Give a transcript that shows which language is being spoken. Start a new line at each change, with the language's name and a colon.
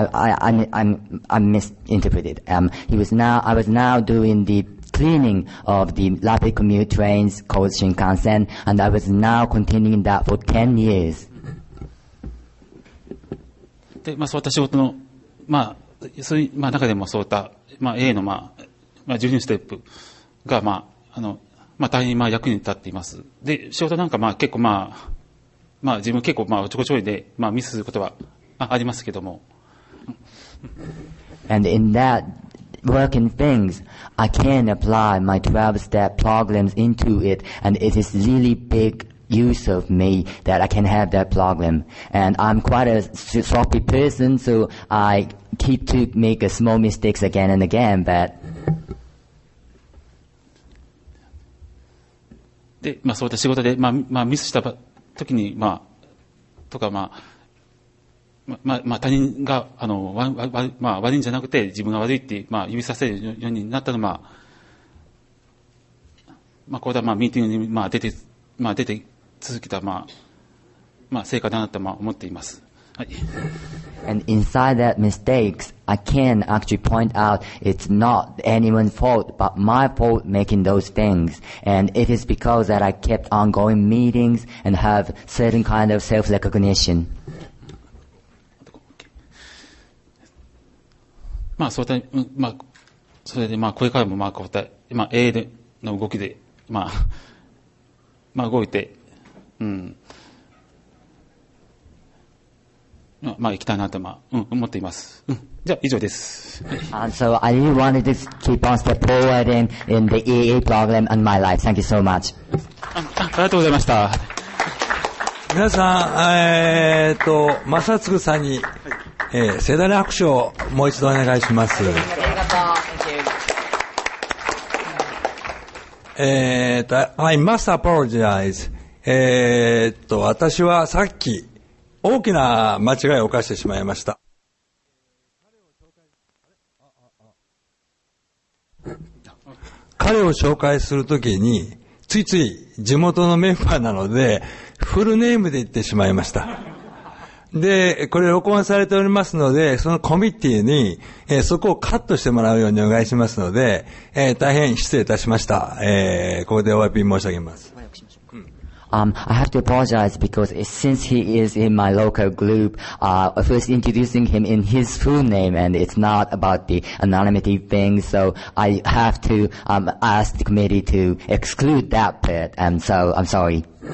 English: I misinterpreted. I was now doing the cleaning of the rapid commute trains called Shinkansen, and I was now continuing that for 10 years.
Japanese: で、まあ、そういった仕事の、まあ、そういう、まあ、中でもそういった、まあ、A の、まあ、まあ、12ステップが、まあ、まあ、大変、まあ、役に立っています。で、仕事なんか、まあ、結構、まあ、まあ、自分結構、まあ、ちょこちょいで、まあ、ミスすることは、ありますけども。
English: And in that,working things, I can apply my 12-step programs into it, and it is really big use of me that I can have that program. And I'm quite a sloppy person, so I keep to make a small mistakes again and again, but...
Japanese: で、まあ、そういった仕事で、まあ、まあ、ミスした時に、まあ、とか、まあ、まあ、まあ、他人が、まあ、悪いんじゃなくて、自分が悪いって、まあ、指させるようになったのは、まあ、これはまあ、ミーティングに、まあ、出て続けた、まあ、まあ、成果だなと、まあ、思っています。はい。
English: And inside that mistakes, I can actually point out it's not anyone's fault, but my fault making those things. And it is because that I kept on going meetings and have certain kind of self-recognition.
Japanese: まあ、そういった、まあ、それで、まあ、これからも、まあ、こういった、まあ、A の動きで、まあ、まあ、動いて、うん。まあ、行きたいなと、まあ、思っています。うん。じゃあ、以上です。
English: And so, I really wanted to keep on step forward in the AA program and my life. Thank you so much.
Japanese: ありがとうございました。皆さん、マサツグさんに、盛大な拍手をもう一度お願いします。
English: I must apologize、
Japanese: 私はさっき大きな間違いを犯してしまいました。彼を紹介するときに、ついつい地元のメンバーなので、フルネームで言ってしまいました。で、これ録音されておりますので、そのコミッティに、そこをカットしてもらうようにお願いしますので、大変失礼いたしました。ここでお詫び申し上げます。
English: I have to apologize because since he is in my local group, first introducing him in his full name and it's not about the anonymity thing, so I have to ask the committee to exclude that bit, and so I'm sorry.